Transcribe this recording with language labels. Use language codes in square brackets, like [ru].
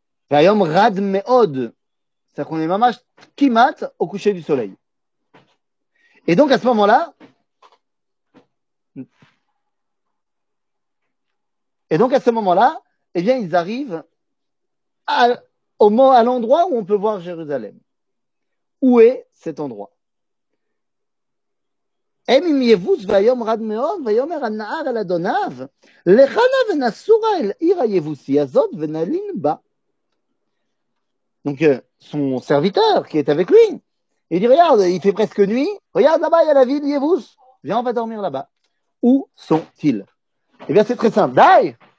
[he] והיום רד מאוד, אנחנו נהיה ממש כמעט [fr] au coucher du soleil. Et donc à ce moment-là, eh bien ils arrivent à l'endroit où on peut voir Jérusalem. Où est cet endroit? [he] הם עם יבוס והיום רד מאוד, ויאמר הנער אל אדוניו, לך נא ונסורה אל עיר היבוסי הזאת ונלין בה. [fr] Donc, son serviteur qui est avec lui, il dit, regarde, il fait presque nuit. Regarde, là-bas, il y a la ville, Yevus. Viens, on va dormir là-bas. Où sont-ils? Eh bien, c'est très simple. Daï!